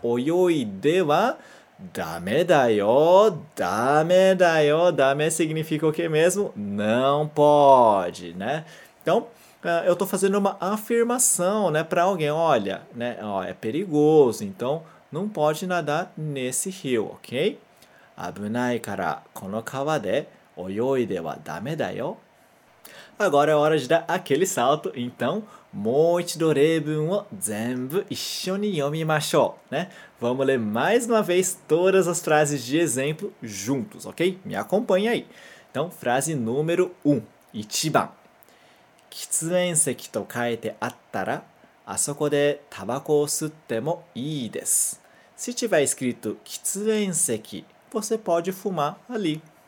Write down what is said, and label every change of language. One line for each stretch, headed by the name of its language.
Japanese: Oyoide wa, dame da yo, dame da yo, dame
Portuguese: significa o que mesmo? Não pode, né? Então, eu tô fazendo uma afirmação, né, pra alguém, olha, né, ó, é perigoso, então... Não pode nadar nesse rio, ok?
Japanese: 危ないからこの川で泳いではダメだよ。
Portuguese: Agora é hora de dar aquele salto, então,
Japanese: もう一度例文を全部一緒に読みましょう、
Portuguese: né? Vamos ler mais uma vez todas as frases de exemplo juntos, ok? Me acompanha aí. Então, frase número 1,
Japanese: 1番喫煙席と書いてあったら、あそこでタバコを吸ってもいいです。
Portuguese: Se tiver escrito 喫煙席, você pode fumar ali.